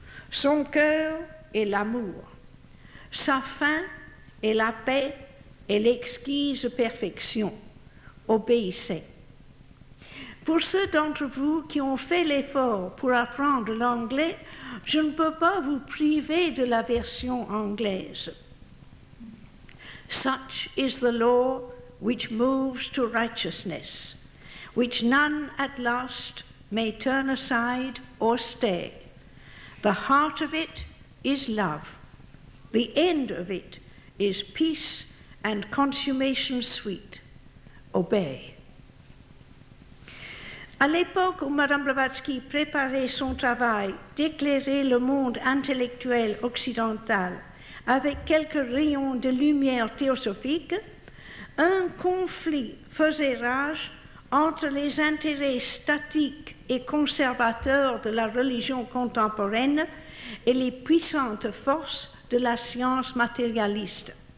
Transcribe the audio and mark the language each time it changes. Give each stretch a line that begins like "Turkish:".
French: Son cœur est l'amour, sa fin est la paix et l'exquise perfection. Obéissez. Pour ceux d'entre vous qui ont fait l'effort pour apprendre l'anglais, je ne peux pas vous priver de la version anglaise.
English: Such is the law which moves to righteousness, which none at last may turn aside or stay. The heart of it is love. The end of it is peace and consummation sweet. Obey.
French: À l'époque où Madame Blavatsky préparait son travail d'éclairer le monde intellectuel occidental avec quelques rayons de lumière théosophique, un conflit faisait rage entre les intérêts statiques et conservateurs de la religion contemporaine et les puissantes forces de la science matérialiste.